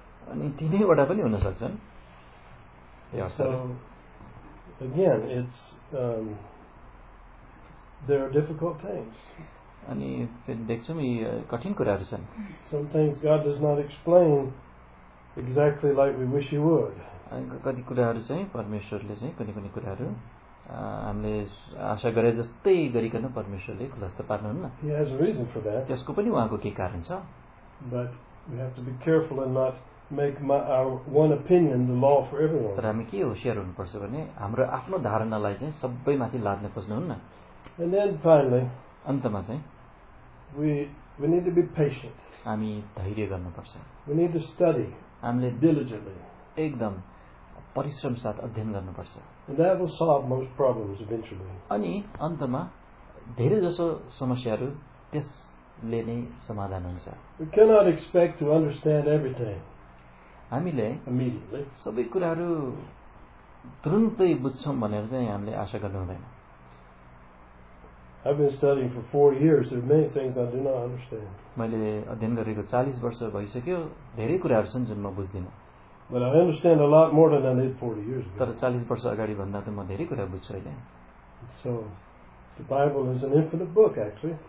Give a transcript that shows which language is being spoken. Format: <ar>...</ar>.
<ne>अनि तिनैवटा पनि हुन सक्छन्.</ne> <en>So again, it's there are difficult things.</en> <ne>अनि देख्छौँ यी कठिन कुराहरू छन्.</ne> <en>Some things God does not explain exactly like we wish he would.</en> <ne>कति कुराहरू चाहिँ परमेश्वरले चाहिँ कुनै कुनै कुराहरू हामीले आशा गरे जस्तै गरिकन परमेश्वरले खुलस्त पार्नुहुन्न.</ne> <en>He has a reason for that.</en> <ne>त्यसको पनि उहाँको के कारण छ.</ne> <en>But we have to be careful and not make my our one opinion the law for everyone.</en> <ne>तर हामी के होसियार हुनुपर्छ भने हाम्रो आफ्नो धारणालाई चाहिँ सबैमाथि लाद्न खोज्नुहुन्न.</ne> <en>And then finally,</en> <ne>अन्तमा चाहिँ</ne> <en>we need to be patient.</en> <ne>हामी धैर्य गर्नुपर्छ.</ne> <en>We need to study.</en> <ne>हामीले</ne> <en>diligently</en> <ne>एकदम परिश्रम साथ अध्ययन गर्नुपर्छ.</ne> <en>And that will solve most problems eventually.</en> <ne>अनि अन्तमा धेरै जसो समस्याहरू त्यसले नै समाधान हुन्छ.</ne> <en>We cannot expect to understand everything.</en> <ne>हामीले</ne> <en>immediately</en> <ne>सबै कुराहरू तुरुन्तै बुझ्छौँ भनेर चाहिँ हामीले आशा गर्नु हुँदैन.</ne> <en>I've been studying for 4 years. There are many things I do not understand.</en> <ne>मैले अध्ययन गरेको 40 वर्ष भइसक्यो. धेरै कुराहरू छन् जुन म बुझ्दिन.</ne> <en>But I understand a lot more than I did 40 years ago.</en> <ne>तर 40 वर्ष अगाडि भन्दा त म धेरै कुरा बुझ्छु अहिले.</ne> <en>So the Bible is an infinite book actually.</en>